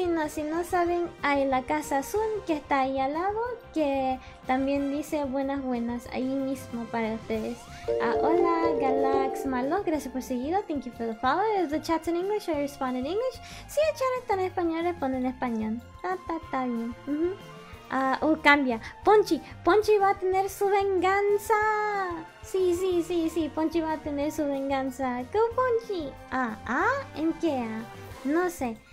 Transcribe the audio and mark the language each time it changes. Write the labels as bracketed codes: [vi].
[es] Si no saben, hay la casa azul que está ahí al lado, que también dice buenas buenas ahí mismo para ustedes. Hola Galax Malo, gracias por seguido. [en] Thank you for the follow. If the chat's in English, I respond in English. [es] Si el chat está en español, responde en español. Está bien. Cambia. Ponchi va a tener su venganza. Sí, Ponchi va a tener su venganza. ¿Qué Ponchi? ¿En qué A? No sé.